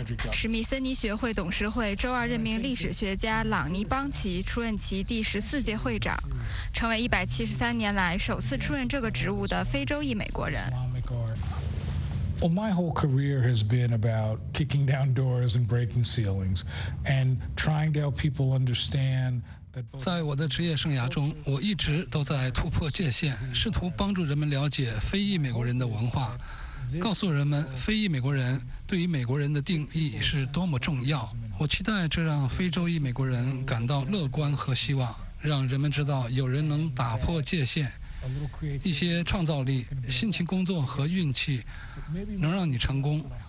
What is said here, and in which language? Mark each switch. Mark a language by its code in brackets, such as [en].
[zh] 史密森尼学会董事会周二任命历史学家朗尼·邦奇出任其第14届会长，成为173年来首次出任这个职务的非洲裔美国人。 [en] Well, my whole career has been about kicking down doors and breaking ceilings and trying to help people understand. [zh] 在我的职业生涯中，我一直都在突破界限，试图帮助人们了解非裔美国人的文化，告诉人们非裔美国人对于美国人的定义是多么重要。我期待这让非洲裔美国人感到乐观和希望，让人们知道有人能打破界限，一些创造力、辛勤工作和运气能让你成功。